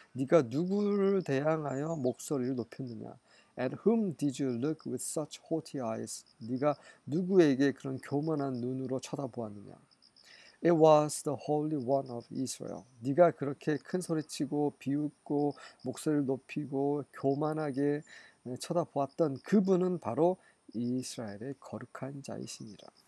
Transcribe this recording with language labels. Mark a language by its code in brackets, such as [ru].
[ko] 네가 누구를 대항하여 목소리를 높였느냐? [en] At whom did you look with such haughty eyes? [ko] 네가 누구에게 그런 교만한 눈으로 쳐다보았느냐? [en] It was the Holy One of Israel. [ko] 네가 그렇게 큰 소리치고 비웃고 목소리를 높이고 교만하게 쳐다보았던 그분은 바로 이스라엘의 거룩한 자이시니라.